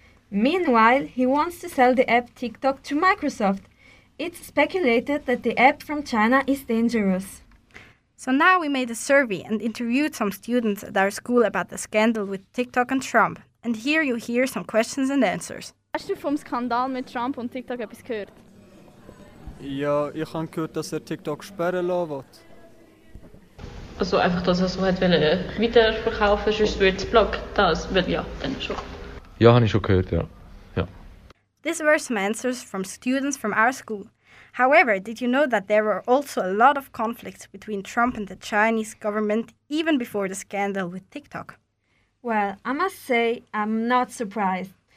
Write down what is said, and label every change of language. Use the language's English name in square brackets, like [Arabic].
[English] Meanwhile, he wants to sell the app TikTok to Microsoft. It's speculated that the app from China is dangerous. So now we made a survey and interviewed some students at our school about the scandal with TikTok and Trump. And here you hear some questions and answers. [German] Hast du vom Skandal mit Trump und TikTok etwas gehört? Ja, ich habe gehört, dass er TikTok sperren lassen will. Also einfach, dass er so hat, wenn er weiterverkaufen, sonst wird es blockt. Das wird ja dann schon. Ja, habe ich schon gehört, ja. [English] These were some answers from students from our school. However, did you know that there were also a lot of conflicts between Trump and the Chinese government even before the scandal with TikTok? Well, I must say I'm not surprised.